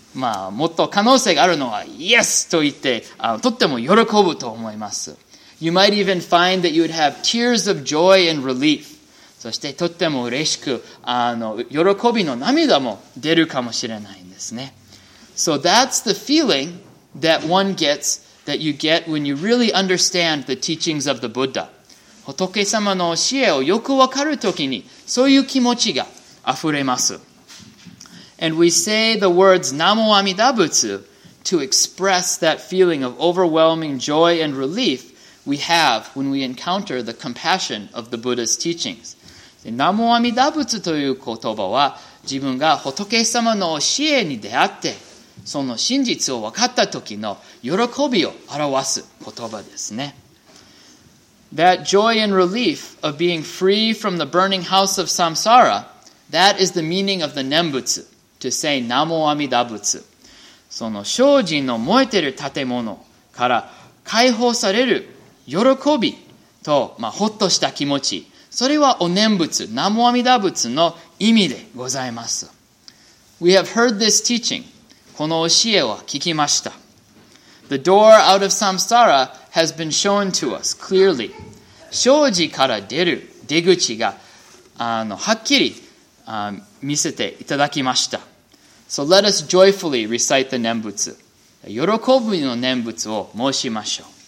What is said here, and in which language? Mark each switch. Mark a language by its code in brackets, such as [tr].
[ja] まあ、もっと可能性があるのは、 [en] Yes! [ja] と言って、とっても喜ぶと思います。 [en] You might even find that you would have tears of joy and relief. [ja] そして、とっても嬉しく、喜びの涙も出るかもしれないんですね。 [en] So that's the feeling that one gets, that you get when you really understand the teachings of the Buddha. [ja] 仏様の教えをよくわかるときに、そういう気持ちが溢れます。 [en] And we say the words Namo Amida Butsu to express that feeling of overwhelming joy and relief we have when we encounter the compassion of the Buddha's teachings. [ja] Namo Amida Butsu という言葉は自分が仏様の教えに出会ってその真実を分かった時の喜びを表す言葉ですね。 [en] That joy and relief of being free from the burning house of samsara, that is the meaning of the Nembutsu. To say Namo Amida Butsu. [ja] その精進の燃えてる建物から解放される喜びと、まあ、ほっとした気持ち、それはお念仏、南無阿弥陀仏の意味でございます。 [en] We have heard this teaching. [ja] この教えは聞きました。 [en] The door out of samsara has been shown to us clearly. [ja] 精進から出る出口がはっきり見せていただきました。 [en] So let us joyfully recite the 念仏。 [ja] 喜ぶの念仏を申しましょう。